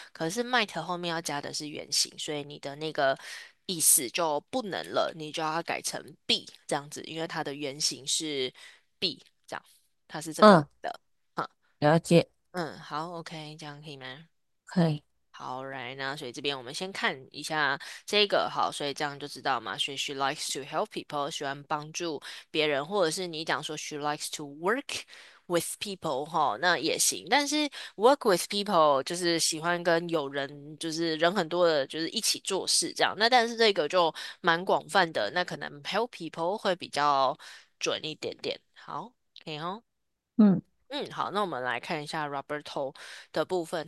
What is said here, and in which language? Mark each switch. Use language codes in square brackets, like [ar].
[zh] 可是 might 后面要加的是原形，所以你的那个意思就不能了，你就要改成 be 这样子，因为它的原形是 be 这样，它是这个的。了解，好，OK，这样可以吗？可以。好，right 呢，所以这边我们先看一下这个，好，所以这样就知道嘛。所以 [en] she likes to help people， [zh] 喜欢帮助别人，或者是你讲说 [en] she likes to work。 With people [zh] 哈，那也行，但是 [en] work with people [zh] 就是喜欢跟有人，就是人很多的，就是一起做事这样。那但是这个就蛮广泛的，那可能 help people 会比较准一点点。好，可以哦。好，那我们来看一下 Roberto 的部分。